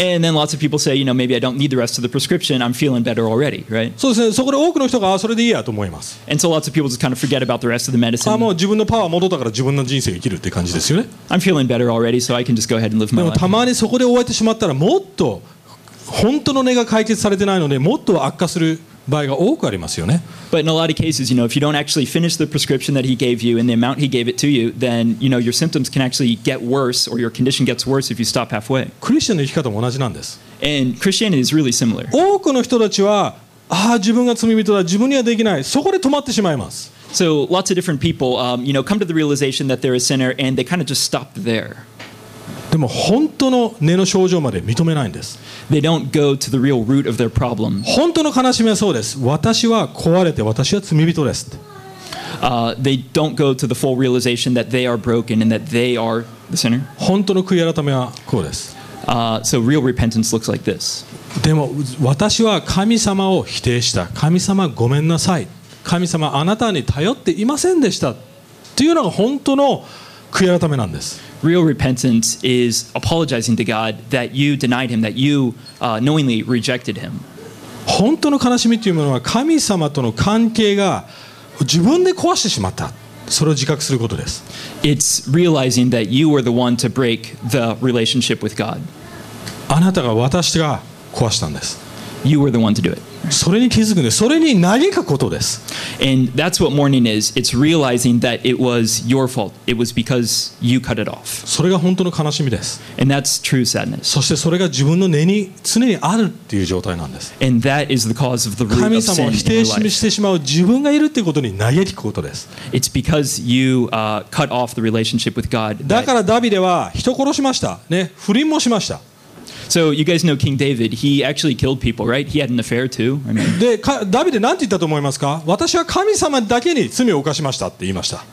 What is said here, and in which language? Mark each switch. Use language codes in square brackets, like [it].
[en] And then lots of people say, you know, maybe I don't need the rest of the prescription. I'm feeling better already, right? [ja] そうですね。そこで多くの人がそれでいいやと思います。 [en] And so lots of people just kind of forget about the rest of the medicine. [ja] もう自分のパワー戻ったから自分の人生生きるって感じですよね。 [en] I'm feeling better already, so I can just go ahead and live my life. [ja] でもたまにそこで終わってしまったらもっと本当の根が解決されてないのでもっと悪化する。場合が多くありますよね。 [en] But in a lot of cases, you know, if you don't actually finish the prescription that he gave you and the amount he gave it to you, then you know your symptoms can actually get worse or your condition gets worse if you stop halfway. [ja] クリスチャンの生き方も同じなんです。 [en] And Christianity is really similar. [ja] 多くの人たちは、ああ自分が罪人だ、自分にはできない、そこで止まってしまいます。 [en] So lots of different people, you know, come to the realization that they're a sinner and they kind of just stop there. [ja] でも本当の根の症状まで認めないんです。 [en] They don't go to the real root of their problem. [ja] 本当の悲しみはそうです。私は壊れて私は罪人です。 [en] They don't go to the full realization that they are broken and that they are the sinner. [ja] 本当の悔い改めはこうです。 [en] So real repentance looks like this. [ja] でも私は神様を否定した。神様ごめんなさい。神様あなたに頼っていませんでした。というのが本当の悔い改めなんです。 [en] Real repentance is apologizing to God that you denied him, that you knowingly rejected him. [ja] 本当の悲しみというものは神様との関係が自分で壊してしまった。それを自覚することです。 [en] It's realizing that you were the one to break the relationship with God. [ja] あなたが私が壊したんです。 [en] You were the one to do it. [ja] それに気づくんです。それに嘆くことです。 [en] And that's what mourning is. It's realizing that it was your fault. It was because you cut it off. [ja] それが本当の悲しみです。 [en] And that's true sadness. [ja] そしてそれが自分の根に常にあるっていう状態なんです。 [en] And that is the cause of the root of sin in your life. [ja] 神様を否定してしまう自分がいるっていうことに嘆くことです。 [en] It's because you cut off the relationship with God. [ja] だからダビデは人殺しました。ね、不倫もしました。 [en] So you guys know King David, he actually killed people, right? He had an affair too. [ja] David, なんて言ったと思いますか? 私は神様だけに罪を犯しましたって言いました。